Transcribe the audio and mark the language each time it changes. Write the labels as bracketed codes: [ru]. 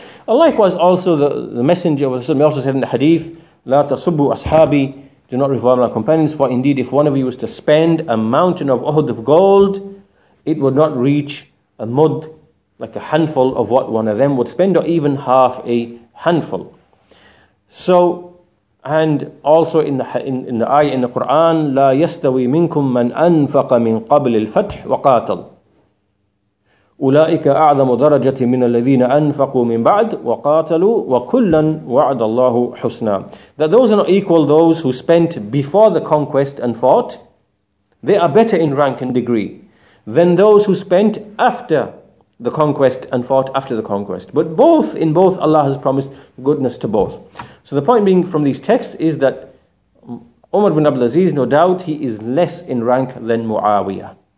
[en] And likewise also the Messenger of Allah also said in the hadith, [ar] La tasubbu ashabi, [en] do not revile my companions, for indeed if one of you was to spend a mountain of Uhud of gold, it would not reach a mud, like a handful of what one of them would spend, or even half a handful. So, and also in the ayah in the Quran, [ar] لا يستوي منكم من أنفق من قبل الفتح وقاتل أولئك أعظم درجة من الذين أنفقوا من بعد وقاتلوا وكلا وعد الله حسنا. [en] That those are not equal those who spent before the conquest and fought. They are better in rank and degree than those who spent after the conquest and fought after the conquest. But both, in both, Allah has promised goodness to both. So the point being from these texts is that Umar bin Abdul Aziz, no doubt, he is less in rank than Muawiyah.